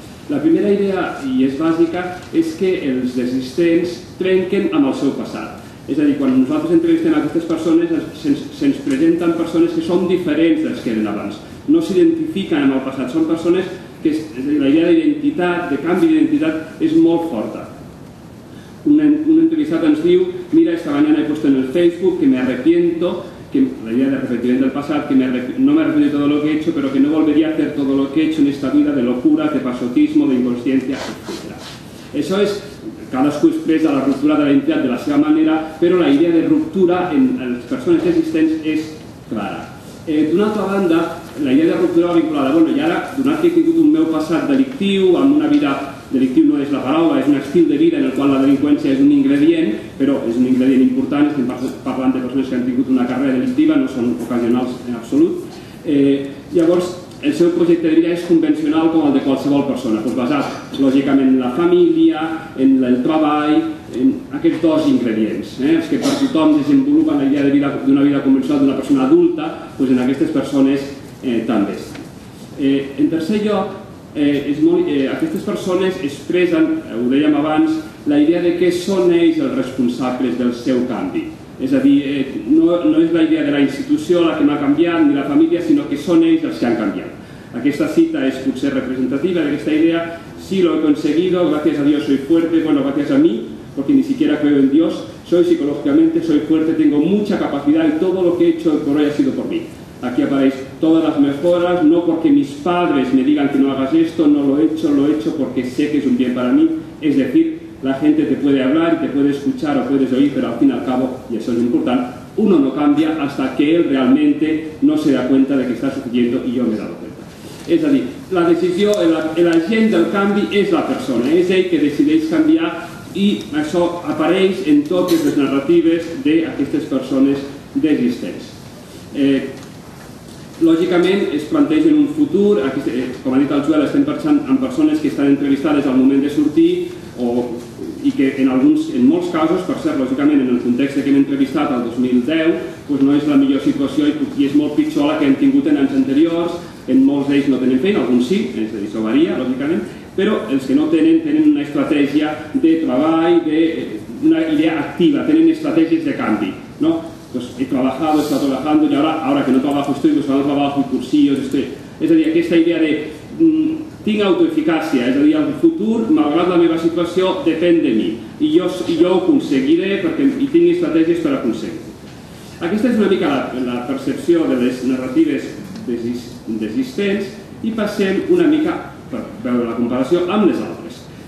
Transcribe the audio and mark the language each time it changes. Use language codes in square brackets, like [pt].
[ca] La primera idea, i és bàsica, és que els desistents trenquen amb el seu passat. És a dir, quan nosaltres entrevistem aquestes persones, se'ns presenten persones que són diferents dels que eren abans. No s'identifiquen amb el passat, són persones que és a dir, la idea d'identitat, de canvi d'identitat, és molt forta. Un entrevistat ens diu, [es] mira, esta mañana he puesto en el Facebook que me arrepiento, que la idea de arrepentiment del passat, que no me arrepiento de todo lo que he hecho, pero que no volvería a hacer todo lo que he hecho en esta vida de locura, de pasotismo, de inconsciencia, etc. [ca] Això és... Cadascú expressa la ruptura de la identitat de la seva manera, però la idea de ruptura en les persones existents és clara. D'una altra banda, la idea de ruptura va vinculada, bueno, i ara, donat que he tingut un meu passat delictiu, amb una vida, delictiu no és la paraula, és un estil de vida en el qual la delinqüència és un ingredient, però és un ingredient important, estem parlant de persones que han tingut una carrera delictiva, no són ocasionals en absolut, llavors, el seu projecte de vida és convencional com el de qualsevol persona, doncs basat lògicament en la família, en el treball, en aquests dos ingredients. Els que per tothom desenvolupen la idea d'una vida convencional d'una persona adulta, doncs en aquestes persones també. En tercer lloc, aquestes persones expressen, ho dèiem abans, la idea de què són ells els responsables del seu canvi. És a dir, no és la idea de la institució la que m'ha canviat, ni la família, sinó que són ells els que han canviat. Aquesta cita és potser representativa d'aquesta idea, [es] sí, lo he conseguido, gracias a Dios soy fuerte, bueno, gracias a mí, porque ni siquiera creo en Dios, soy psicológicamente, soy fuerte, tengo mucha capacidad y todo lo que he hecho por hoy ha sido por mí. Aquí aparecen todas las mejoras, no porque mis padres me digan que no hagas esto, no lo he hecho, lo he hecho porque sé que es un bien para mí, es decir, la gente te puede hablar, te puede escuchar o puedes oír, pero al fin y al cabo, y eso es importante, uno no cambia hasta que él realmente no se da cuenta de que está sufriendo y yo me he dado cuenta. Es decir, la decisión, el agente del cambio es la persona, es él que [ca] decideix [es] cambiar y eso aparece en todas las narrativas de [ca] aquestes persones desistents. Lògicament es planteja en un futur, com ha dit el Joel, estem parlant amb persones que estan entrevistades al moment de sortir i que en molts casos, per cert, lògicament en el context que hem entrevistat el 2010, no és la millor situació i és molt pitjor la que hem tingut en anys anteriors, en molts d'ells no tenen feina, alguns sí, és a dir, això varia, lògicament, però els que no tenen, tenen una estratègia de treball, una idea activa, tenen estratègies de canvi, no? [es] Pues he trabajado, he estado trabajando y ahora que no trabajo estoy buscando trabajo y cursillos, estoy... [ca] Es a dir, aquesta idea de tinc autoeficàcia, és a dir, el futur, malgrat la meva situació, depèn de mi i jo ho aconseguiré perquè hi tinc estratègies per aconseguir. Aquesta és una mica la percepció de les narratives desistents i passem una mica, per veure la comparació, amb les altres.